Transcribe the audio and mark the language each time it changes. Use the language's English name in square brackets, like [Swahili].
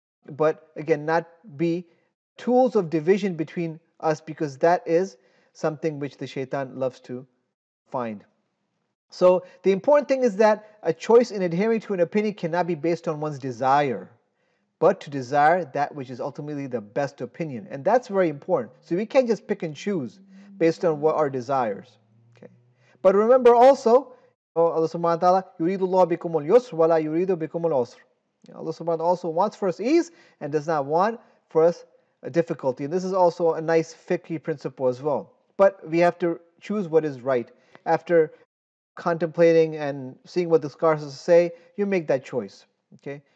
[English] But again, not be tools of division between us, because that is something which the shaitan loves to find. So the important thing is that a choice in adhering to an opinion cannot be based on one's desire, but to desire that which is ultimately the best opinion. And that's very important. So we can't just pick and choose based on what our desires. Okay. But remember also, [Arabic] Allah subhanahu wa ta'ala, يُرِيدُ اللَّهُ بِكُمُ الْيُسْرُ وَلَا يُرِيدُ بِكُمُ الْعُسْرُ. [English] Allah subhanahu wa ta'ala also wants for us ease and does not want for us a difficulty. And this is also a nice fiqhi principle as well. But we have to choose what is right. After contemplating and seeing what the scholars say, you make that choice. Okay.